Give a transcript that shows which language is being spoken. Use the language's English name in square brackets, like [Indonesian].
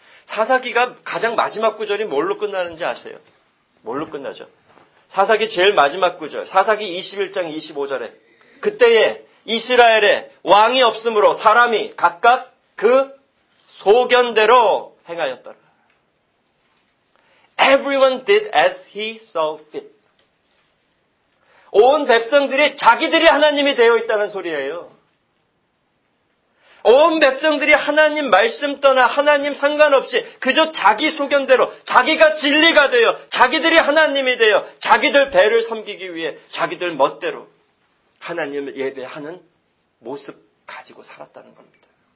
[Korean] 사사기가 가장 마지막 구절이 뭘로 끝나는지 아세요? 뭘로 끝나죠? 사사기 제일 마지막 구절. 사사기 21장 25절에 그때에 이스라엘에 왕이 없으므로 사람이 각각 그 소견대로 행하였더라. [English] Everyone did as he saw fit. [Korean] 온 백성들이 자기들이 하나님이 되어 있다는 소리예요. 온 백성들이 하나님 말씀 떠나 하나님 상관없이 그저 자기 소견대로 자기가 진리가 되어 자기들이 하나님이 되어 자기들 배를 섬기기 위해 자기들 멋대로 하나님을 예배하는 모습 가지고 살았다는 겁니다.